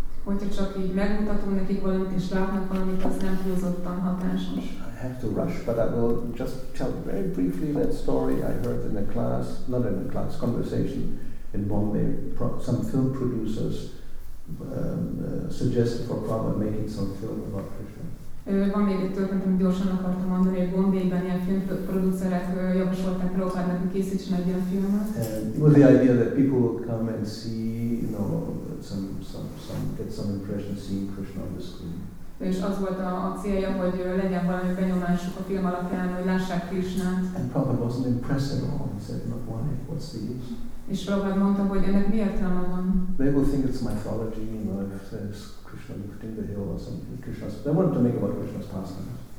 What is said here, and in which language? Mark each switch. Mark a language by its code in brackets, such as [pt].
[hu] Hogyha csak így megmutatom nekik valamit és látnak valamit, az nem túlzottan hatásos. [en] I have to rush, but I will just tell very briefly that story I heard in a class, conversation, in Bombay, some film producers suggested for Prabhupada making some film about Krishna. [hu] Van még egy történet, amit gyorsan akartam mondani, hogy Bombayban ilyen filmproducerek javasolták Prabhupádnak, hogy készítsen egy ilyen filmet. [en] It was the idea that people would come and see, you know, some get some impression seeing Krishna on the screen. [hu] És az volt a célja, hogy legyen valami benyomásuk a film alapján, hogy lássák Krishnát. [en] And Prabhupada wasn't impressed at all. He said, not why, what's the use? [hu] És Prabhupada mondta, hogy ennek mi értelme van? [en] They will think it's mythology, you know, if there's Krishna lifting the hill or something. Krishna's, they wanted to make about Krishna's pastimes.